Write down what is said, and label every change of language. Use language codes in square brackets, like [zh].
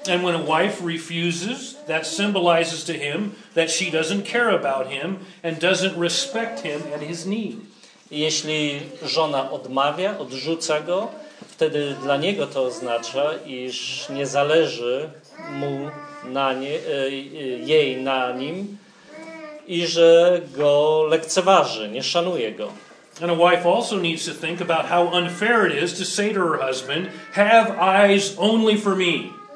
[en] And when a wife refuses, that symbolizes to him that she doesn't care about him and doesn't respect him and his need. [pl] Jeśli żona odmawia, odrzuca go, wtedy dla niego to oznacza, iż nie zależy mu na nie, jej na nim i że go lekceważy, nie szanuje go. [en] And a wife also needs to think about how unfair it is to say to her husband, have eyes only for me.